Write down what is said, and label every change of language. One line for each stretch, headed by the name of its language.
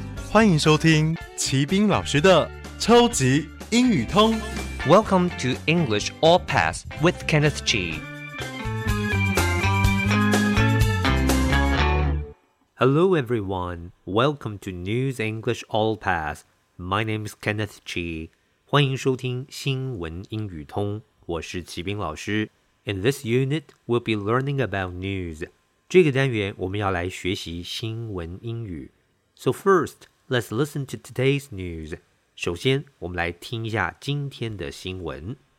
Chinese: 欢迎收听齐宾老师的超级英语通。
English: Welcome to English All Pass with Kenneth G. Hello everyone, welcome to News English All Pass. My name is Kenneth G.
Chinese: 欢迎收听新闻英语通，我是齐宾老师。
English: In this unit, we'll be learning about news.
Chinese: 这个单元我们要来学习新闻英语。
English: So first, let's listen to today's news.
Chinese: 首先，我们来听一下今天的新闻。